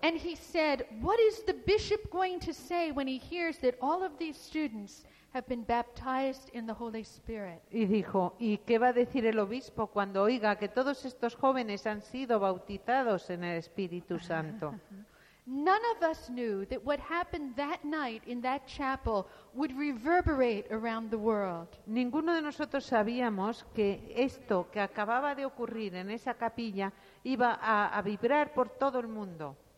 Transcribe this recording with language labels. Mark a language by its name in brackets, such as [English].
[English] And he said, "What is the bishop going to say when he hears that all of these students have been baptized in the Holy Spirit?" [Spanish] Y dijo, "¿Y qué va a decir el obispo cuando oiga que todos estos jóvenes han sido bautizados en el Espíritu Santo?" [English] None of us knew that what happened that night in that chapel would reverberate around the world. [Spanish] Ninguno de nosotros sabíamos que esto que acababa de ocurrir en esa capilla iba a vibrar por todo el mundo.